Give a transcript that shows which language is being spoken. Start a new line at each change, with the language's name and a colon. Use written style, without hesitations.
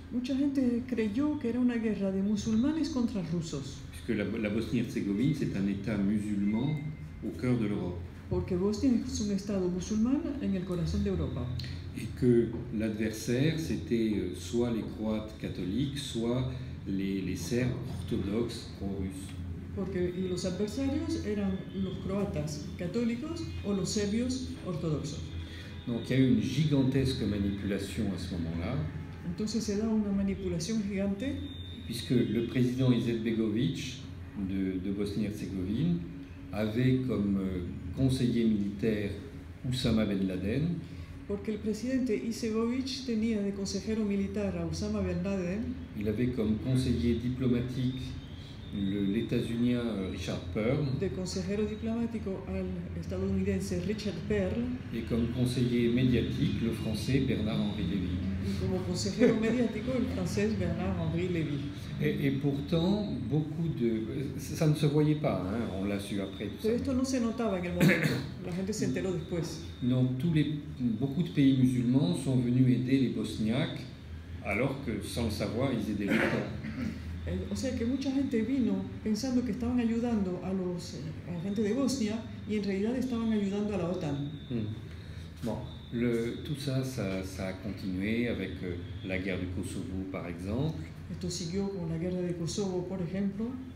Spanish: Mucha gente creyó que era una guerra de musulmanes contra rusos.
French: Puisque la Bosnie-Herzégovine, c'est un État musulman au cœur de l'Europe.
Spanish: Porque Bosnia es un estado musulmán en el corazón de Europa.
French: Et que l'adversaire, c'était soit les Croates catholiques, soit les Serbes orthodoxes pro-russes.
Spanish: Porque los adversarios eran los croatas católicos o los serbios ortodoxos.
French: Donc il y a eu une gigantesque manipulation à ce moment-là.
Spanish: Entonces se da una manipulación gigante.
French: Puisque le président Izetbegovic de Bosnie-Herzégovine avait comme conseiller militaire Oussama Ben Laden.
Spanish: Porque el presidente Izetbegovic tenía de consejero militar a Oussama Ben Laden.
French: Il avait comme conseiller diplomatique l'États-Unien Richard Perle.
Spanish: De consejero diplomático al estadounidense Richard Perle.
French: Et comme conseiller médiatique le français Bernard-Henri Lévy.
Spanish: Como consejero mediático el francés Bernard-Henri Lévy.
French: Et pourtant beaucoup de ça ne se voyait pas, hein, on l'a su après.
Spanish: Pero esto no se notaba en el momento. La gente se enteró después.
French: Non, beaucoup de pays musulmans sont venus aider les bosniaques alors que sans le savoir ils aidaient les Croates.
Spanish: O sea que mucha gente vino pensando que estaban ayudando a la gente de Bosnia y en realidad estaban ayudando a la OTAN.
French: Bon, tout ça a continué avec la guerre du Kosovo, par exemple.
Spanish: Esto siguió con la guerra de Kosovo, por ejemplo.